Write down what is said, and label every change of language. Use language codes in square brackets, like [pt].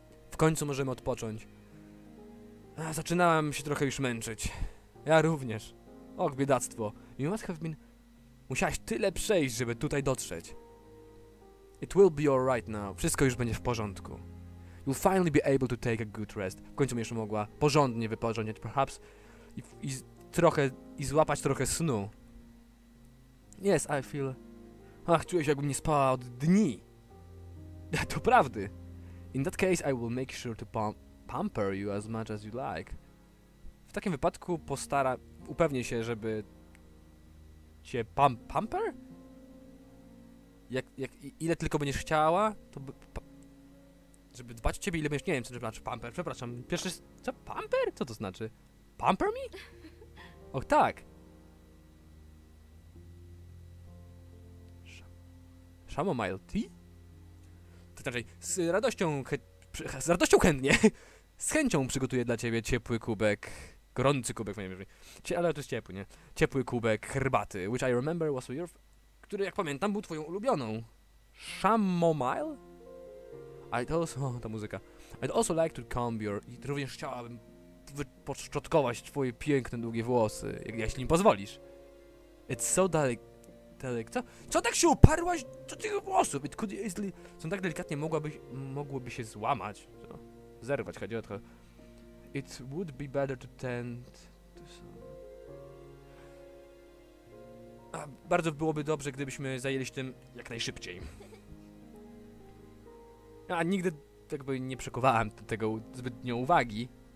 [pl] W końcu możemy odpocząć. Zaczynałam się trochę już męczyć. Ja również. Och, biedactwo. [en] You must have been... [pl] Musiałaś tyle przejść, żeby tutaj dotrzeć. [en] It will be alright now. [pl] Wszystko już będzie w porządku. [en] You'll finally be able to take a good rest. [pl] W końcu będziesz mogła porządnie wypocząć, perhaps. I złapać trochę snu. [en] Yes, I feel... [pl] Ach, czuję się, jakbym nie spała od dni. To prawdy. [en] In that case, I will make sure to pamper you as much as you like. [pl] W takim wypadku upewnię się, żeby... Cię pamper? Ile tylko będziesz chciała, to by, żeby dbać o ciebie, ile będziesz, nie wiem, co to znaczy, pamper, przepraszam, pierwszy, co, pamper? Co to znaczy? [en] Pamper me? [pl] Och, tak. [en] Chamomile tea? [pl] To znaczy, z radością chętnie, z chęcią przygotuję dla ciebie ciepły kubek, gorący kubek, nie wiem, ale to jest ciepły, nie? Ciepły kubek herbaty, [en] which I remember was your... [pl] Który, jak pamiętam, był twoją ulubioną. Chamomile? Ta muzyka. [en] I'd also like to comb your... [pl] I również chciałabym wypoczotkować twoje piękne, długie włosy, jeśli mi pozwolisz. [en] It's so delicate. [pl] Co tak się uparłaś do tych włosów? [en] It could easily... [pl] Są tak delikatnie, mogłyby się złamać. Co? Zerwać, chodzi o to. [en] It would be better to tend to some... [pl] A bardzo byłoby dobrze, gdybyśmy zajęli się tym jak najszybciej. A nigdy jakby nie przekuwałem tego zbytnio uwagi.